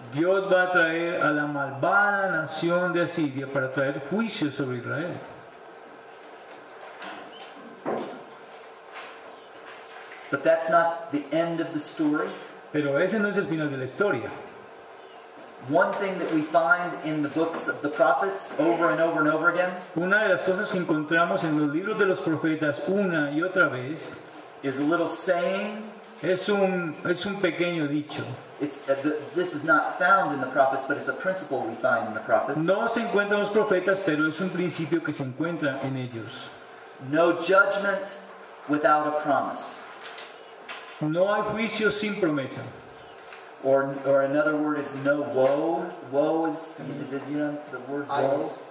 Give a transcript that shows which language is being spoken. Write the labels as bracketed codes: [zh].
[es] Dios va a traer a la malvada nación de Asiria para traer juicio sobre Israel. [en] But that's not the end of the story. [es] Pero ese no es el final de la historia. [en] One thing that we find in the books of the prophets over and over and over again. [es] Una de las cosas que encontramos en los libros de los profetas una y otra vez [en] is a little saying. [es] Es un pequeño dicho. [en] This is not found in the prophets, but it's a principle we find in the prophets. [es] No se encuentra en los profetas, pero es un principio que se encuentra en ellos. [en] No judgment without a promise. [es] No hay juicio sin promesa. [en] Or another word is no woe. Woe is, the word woe.